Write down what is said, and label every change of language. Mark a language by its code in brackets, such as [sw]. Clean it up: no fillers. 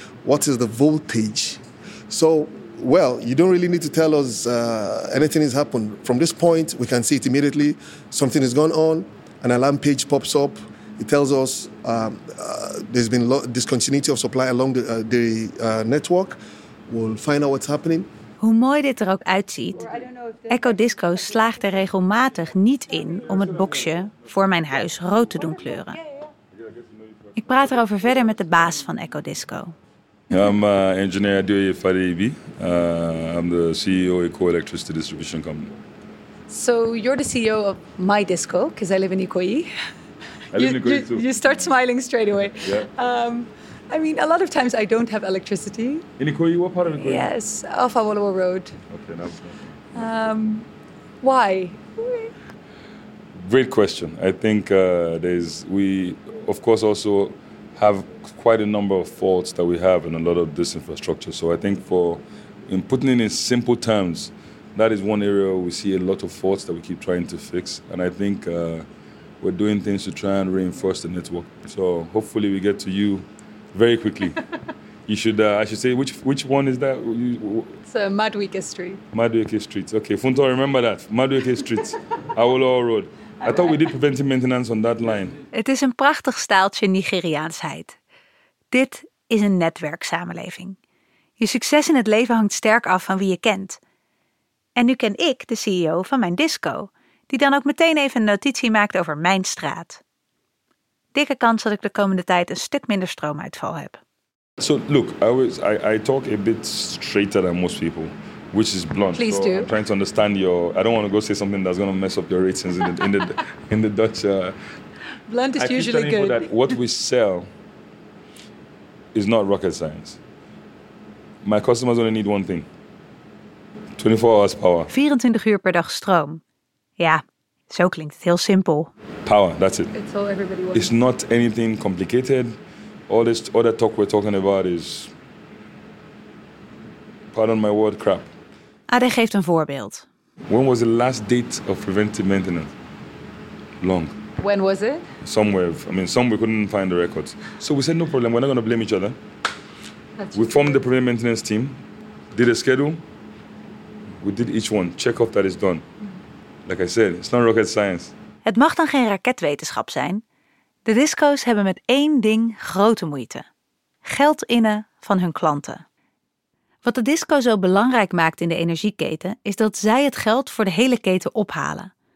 [en] What is the voltage? So, well, you don't really need to tell us anything has happened. From this point, we can see it immediately. Something has gone on, an alarm page pops up. It tells us there's been discontinuity of supply along the network. We'll find out what's happening. [nl] Hoe mooi dit er ook uitziet, Echo Disco slaagt er regelmatig niet in om het boxje voor mijn huis rood te doen kleuren. Ik praat erover verder met de baas van Echo Disco. [en] I'm engineer Adeoye Fareibi. I'm the CEO of Eco Electricity Distribution Company. So you're the CEO of my disco, because I live in Ikoyi. I live in Ikoyi too. You start smiling straight away. Yeah. I mean, a lot of times I don't have electricity. In Ikoyi, what part of Ikoyi? Yes, off Awolowo Road. Okay, no. Why? Great question. I think we, of course, also have quite a number of faults that we have in a lot of this infrastructure. So I think in putting it in simple terms, that is one area where we see a lot of faults that we keep trying to fix. And I think we're doing things to try and reinforce the network. So hopefully we get to you. Very quickly. You should, I should say, which one is that? It's Madueke Street. Madueke Street. Okay, Funto, remember that. Madueke Street, Awolowo Road. I thought we did preventive maintenance on that line. [nl] Het is een prachtig staaltje Nigeriaansheid. Dit is een netwerksamenleving. Je succes in het leven hangt sterk af van wie je kent. En nu ken ik de CEO van mijn disco, die dan ook meteen even een notitie maakt over mijn straat. Dikke kans dat ik de komende tijd een stuk minder stroomuitval heb. [en] So look, I talk a bit straighter than most people, which is blunt. Please do. I'm trying to understand your. I don't want to go say something that's going to mess up your ratings in the Dutch. Blunt is I usually good. That what we sell is not rocket science. My customers only need one thing: 24 hours power. [nl] 24 uur per dag stroom. Ja. Zo klinkt het heel simpel. [en] Power, that's it. It's all everybody wants. It's not anything complicated. All this other talk we're talking about is, pardon my word, crap. [nl] Ade geeft een voorbeeld. [en] When was the last date of preventive maintenance? Long. When was it? Somewhere we couldn't find the records. So we said, no problem, we're not going to blame each other. That's we formed the preventive maintenance team, did a schedule. We did each one, check off that it's done. Like I said, it's not rocket science. [nl] Het mag dan geen raketwetenschap zijn. De disco's hebben met één ding grote moeite. Geld innen van hun klanten. Wat de disco zo belangrijk maakt in de energieketen, is dat zij het geld voor de hele keten ophalen.